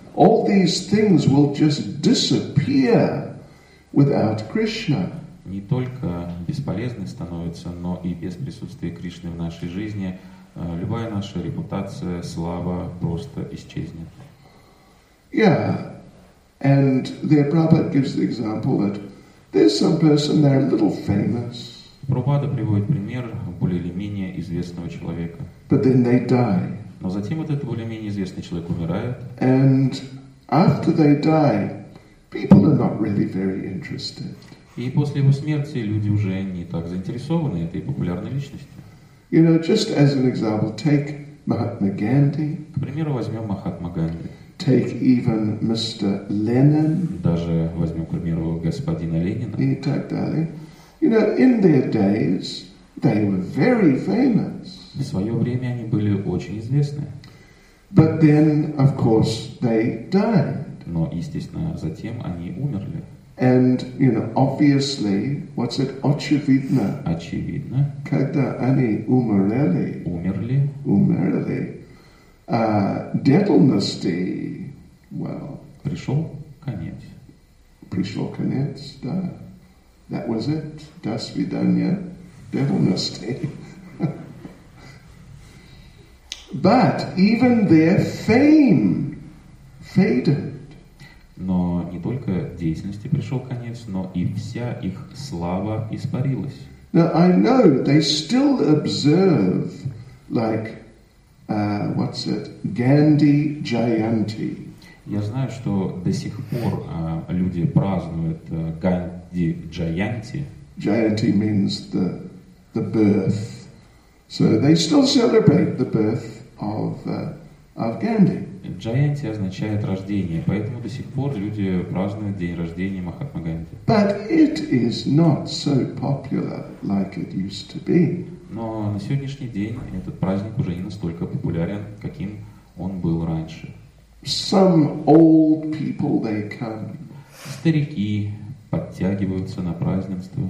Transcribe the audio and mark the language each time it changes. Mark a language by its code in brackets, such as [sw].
[en] All these things will just disappear without Krishna. [ru] Не только бесполезны становятся, но и без присутствия Кришны в нашей жизни любая наша репутация, слава просто исчезнет. [en] Yeah, and there Prabhupada gives the example that there's some person there a little famous. [ru] Прабхупада приводит пример более или менее известного человека. [en] But then they die. [ru] Но затем вот этот более или менее известный человек умирает. [en] And after they die, people are not really very interested. [ru] И после его смерти люди уже не так заинтересованы этой популярной личностью. [en] You know, just as an example, take Mahatma Gandhi. [ru] К примеру, возьмем Махатма Ганди. [en] Take even Mr. Lenin. [ru] Даже возьмем, к примеру, господина Ленина. И так далее. [en] You know, in their days, they were very famous. [ru] В свое время они были очень известны. [en] But then, of course, they died. [ru] Но, естественно, затем они умерли. [en] And, you know, obviously, what's it, очевидно. [ru] Очевидно. Когда они умерли. Умерли. Умерли. Деятельности, well. Пришел конец. Пришел конец, да. [en] That was it. [ru] До свидания. Devilnosti. [en] But even their fame faded. [ru] Но не только деятельности пришел конец, но и вся их слава испарилась. [en] Now I know they still observe, like, what's it, Gandhi Jayanti. [ru] Я знаю, что до сих пор люди празднуют Ганди Джаянти. [en] Jayanti means the birth. So they still celebrate the birth of Gandhi. [ru] Джаянти означает рождение, поэтому до сих пор люди празднуют день рождения Махатмы Ганди. [en] But it is not so popular like it used to be. [ru] Но на сегодняшний день этот праздник уже не настолько популярен, каким он был раньше. [en] Some old people they come. [ru] Старики подтягиваются на празднество.